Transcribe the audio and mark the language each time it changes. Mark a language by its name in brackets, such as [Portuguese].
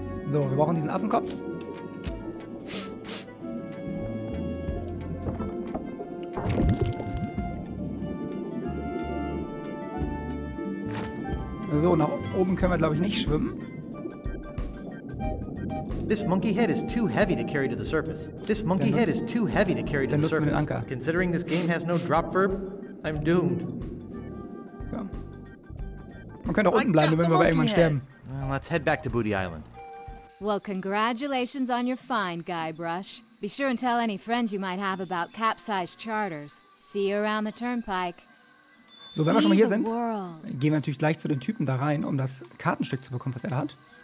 [German] So, wir brauchen diesen Affenkopf. So, nach oben können wir, glaube ich, nicht schwimmen. [English] This monkey head is too heavy to carry to the surface. This monkey head is too heavy to carry to the surface. [German] Anker. [English] Considering this game has no drop verb, I'm doomed. [German] Ja. Man könnte auch unten bleiben, wenn wir aber irgendwann sterben. [English] Well, let's head back to Booty Island. Well, congratulations on your find, Guybrush. Be sure and tell any friends you might have about capsized charters. See you around the turnpike. [German] So, wenn wir schon mal hier sind, gehen wir natürlich gleich zu den Typen da rein, um das Kartenstück zu bekommen, was er da hat.